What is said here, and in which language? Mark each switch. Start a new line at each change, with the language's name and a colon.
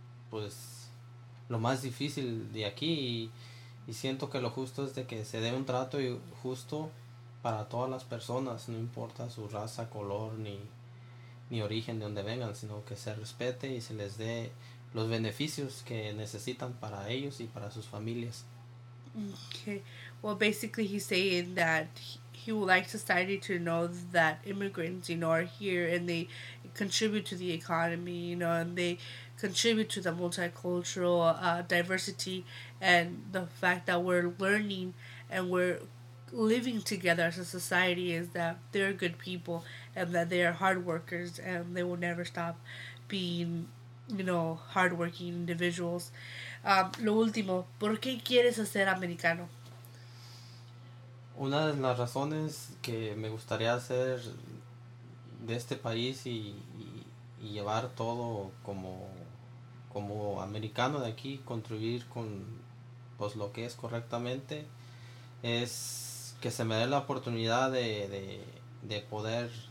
Spanish: pues, lo más difícil de aquí, y siento que lo justo es de que se dé un trato justo para todas las personas, no importa su raza, color, ni origen, de donde vengan, sino que se respete y se les dé los beneficios que necesitan para ellos y para sus familias.
English: Okay, well, basically he's saying that he would like society to know that immigrants, you know, are here and they contribute to the economy, you know, and they contribute to the multicultural diversity, and the fact that we're learning and we're living together as a society is that they're good people and that they are hard workers and they will never stop being, you know, hardworking individuals.
Spanish: Lo último, ¿por qué quieres ser americano? Una de las razones que me gustaría hacer de este país y llevar todo como americano de aquí, contribuir con, pues, lo que es correctamente, es que se me dé la oportunidad de poder